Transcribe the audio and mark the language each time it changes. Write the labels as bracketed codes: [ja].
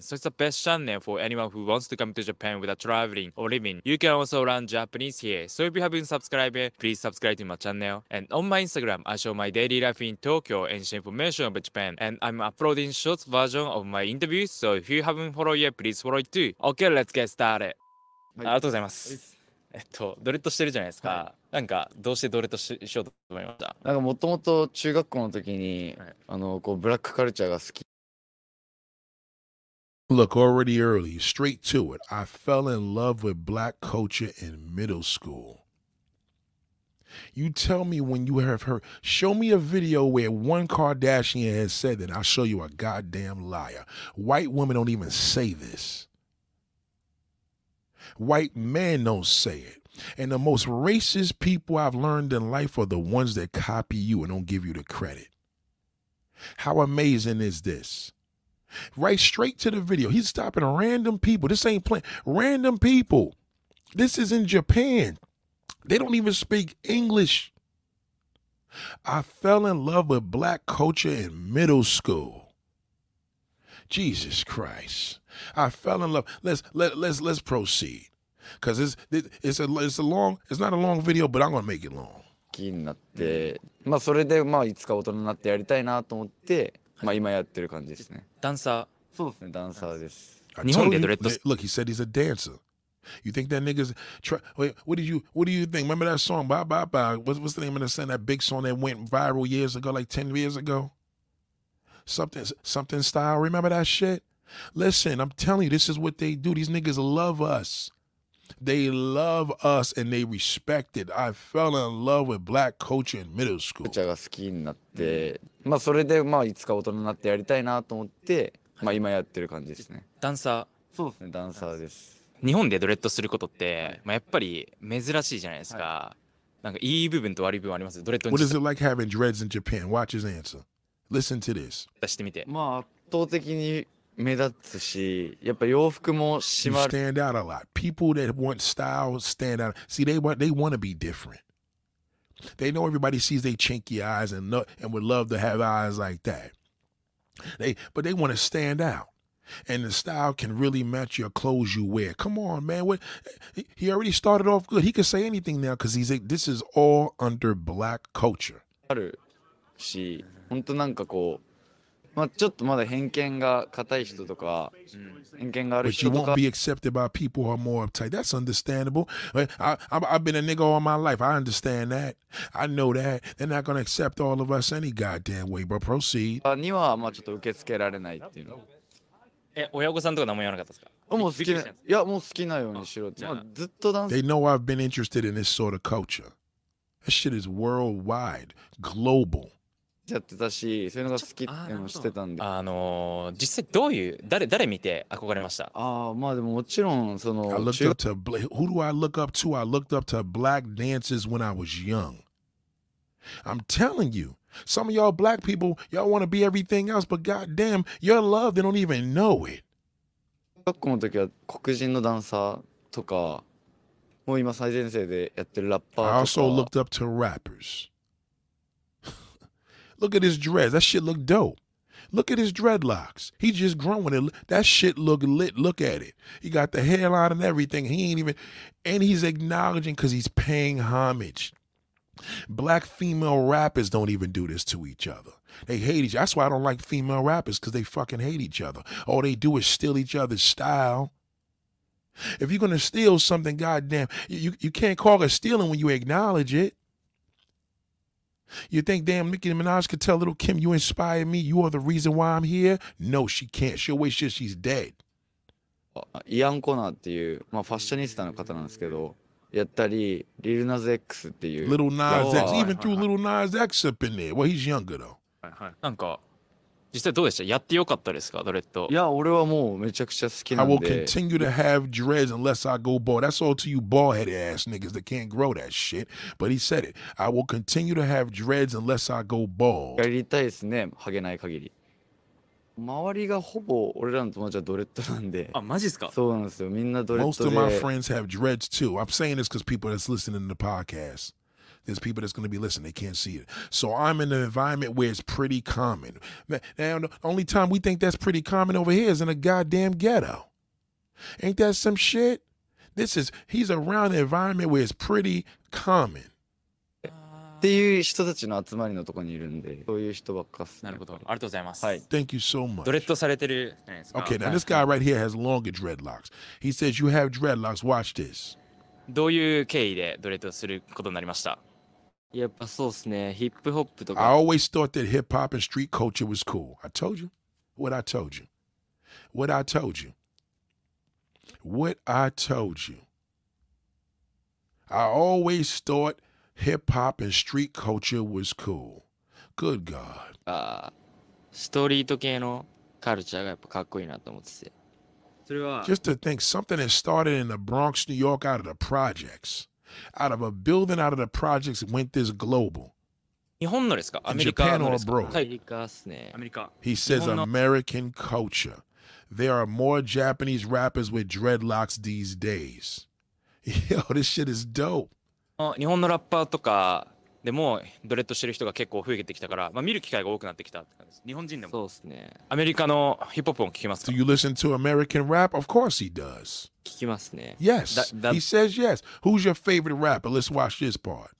[en] So it's the best channel for anyone who wants to come to Japan without traveling or living. You can also learn Japanese here. So if you haven't subscribed, please subscribe to my channel. And on my Instagram, I show my daily life in Tokyo and share information about Japan. And I'm uploading short version of my interviews, so if you haven't followed yet, please follow it too. Okay, let's get started. [ja] ありがとうございます。ドレッドしてるじゃないですか。なんかどうしてドレッドしようと思いました。なんかもともと中学校の時に、あのこうブラックカルチャーが好き。 [en] Look, already early, straight to it. I fell in love with black culture in middle school. You tell me when you have heard, show me a video where one Kardashian has said that, I'll show you a goddamn liar. White women don't even say this. White men don't say it. And the most racist people I've learned in life are the ones that copy you and don't give you the credit. How amazing is this? Right straight to the video. He's stopping random people. This ain't playing. Random people. This is in Japan. They don't even speak English. I fell in love with black culture in middle school. Jesus Christ. I fell in love. Let's proceed. Because it's not a long video, but I'm going to make it long. [ja] 気になって、まあそれで、まあいつか大人になってやりたいなと思って、まあ今やってる感じですね。ダンサー。そうですね、ダンサーです。日本でドレッド。 [en] Look, he said he's a dancer. You think that niggas try? Wait, what do you think? Remember that song, Bye Bye Bye? What's the name of the song? That big song that went viral years ago, like 10 years ago? Something style. Remember that shit? Listen, I'm telling you, this is what they do. These niggas love us. They love us and they respect it. I fell in love with black culture in middle school. [ja] Culture が好きになって、まあそれでまあいつか大人になってやりたいなと思って、まあ今やってる感じですね。ダンサー。そうですね、ダンサーです。日本でドレッドすることって、まあ、やっぱり珍しいじゃないですか。はい、なんかいい部分と悪い部分あります。ドレッドに。 [en] What is it like having dreads in Japan? Watch his answer. Listen to this. [ja] 出してみて。まあ圧倒的に目立つし、やっぱ洋服も締まる。 [en] You stand out a lot. People that want style stand out. See, they want to be different. They know everybody sees their chinky eyes and would love to have eyes like that. But they want to stand out. And the style can really match your clothes you wear. Come on, man. He already started off good. He can say anything now because he's like, this is all under black culture. [ja] あるし、本当なんかこう、まあちょっとまだ偏見が硬い人とか、偏見がある人とか。 [en] But you won't be accepted by people who are more uptight. That's understandable. I've been a nigga all my life. I understand that. I know that. They're not going to accept all of us any goddamn way, but proceed. [ja] にはまあちょっと受け付けられないっていうの。親御さんとか何も言わなかったですか？もう好きな、いや、もう好きなようにしろって。まあ、ずっとダンス。 [en] They know I've been interested in this sort of culture. That shit is worldwide, global. [ja] やってたし、そういうのが好きってのしてたんで。実際どういう、誰見て憧れました？ああ、まあでももちろん、その。 [en] I looked up to, who do I look up to? I looked up to black dancers when I was young. I'm telling you. Some of y'all black people, y'all want to be everything else, but goddamn, your love, they don't even know it. [ja] 学校の時は黒人のダンサーとか、もう今最前線でやってるラッパーとか。 [en] I also looked up to rappers. Look at his dreads. That shit look dope. Look at his dreadlocks. He just growing it. That shit look lit. Look at it. He got the hairline and everything. He ain't even, and he's acknowledging because he's paying homage. Black female rappers don't even do this to each other. They hate each other. That's why I don't like female rappers, because they fucking hate each other. All they do is steal each other's style. If you're going to steal something, goddamn, you can't call it stealing when you acknowledge it. You think, damn, Nicki Minaj could tell little Kim, you inspired me, you are the reason why I'm here? No, she can't. She'll wish that she's dead. [ja] イアン・コナーっていう、まあ、ファッショニスタの方なんですけど、やったり、リルナズ X っていう。 [en] リルナズ X、even threw Lil Nas X up in there. Well, he's younger though. [ja] なんか、実際どうでした？やってよかったですか、ドレッド？いや、俺はもうめちゃくちゃ好きなんで。 [en] I will continue to have dreads unless I go bald. That's all to you bald-headed ass niggas that can't grow that shit. But he said it. I will continue to have dreads unless I go bald. [ja] やりたいですね、ハゲない限り。周りがほぼ俺らの友達はドレッドなんで。あ、マジっすか？そうなんですよ。みんなドレッドで。 [en] Most of my friends have dreads too. I'm saying this because people that's listening to the podcast. There's people that's going to be listening. They can't see it. So I'm in an environment where it's pretty common. Now, the only time we think that's pretty common over here is in a goddamn ghetto. Ain't that some shit? This is, he's around an environment where it's pretty common. [ja] っていう人たちの集まりのとこにいるんで、そういう人ばっかっす、ね。なるほど。ありがとうございます。はい。 [en] Thank you so much. [ja] ドレッドされてるじゃないですか。 [en] Okay, now this guy right here has longer dreadlocks. He says, you have dreadlocks. Watch this. [ja] どういう経緯でドレッドすることになりました？やっぱそうですね、ヒップホップとか。 [en] I always thought that hip hop and street culture was cool. I told you. What I told you. What I told you. What I told you. I always thought hip hop and street culture was cool. Good God. [ja] ストリート系のカルチャーがやっぱかっこいいなと思ってて。 [en] Just to think, something that started in the Bronx, New York, out of the projects, out of a building, out of the projects, went this global. [ja] 日本のですか？アメリカのですか？ [en] Japan or abroad? [ja] アメリカですね。アメリカ。 [en] He says American culture. There are more Japanese rappers with dreadlocks these days. Yo, this shit is dope. [ja] 日本のラッパーとかでもドレッドしてる人が結構増えてきたから、まあ、見る機会が多くなってきたって感じです。日本人でもそうですね。アメリカのヒップホップも聞きますか？ [en] Do you listen to American rap? Of course he does. [ja] 聞きますね。 [en] Yes. He says yes. Who's your favorite rapper? Let's watch this part.